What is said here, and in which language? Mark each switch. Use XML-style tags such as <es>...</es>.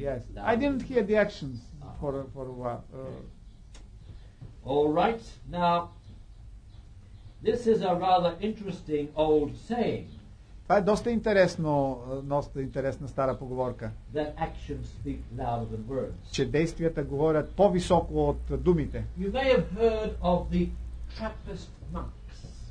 <en>Yes, I didn't hear the actions for a while. All right. Now, this is a rather interesting old saying.</en> <bg>Това е доста интересно, доста интересна стара поговорка.</bg> <en>That actions speak louder than words.</en> <bg>Че действията говорят по-високо от думите.</bg> <en>You may have heard of the Trappist monks.</en>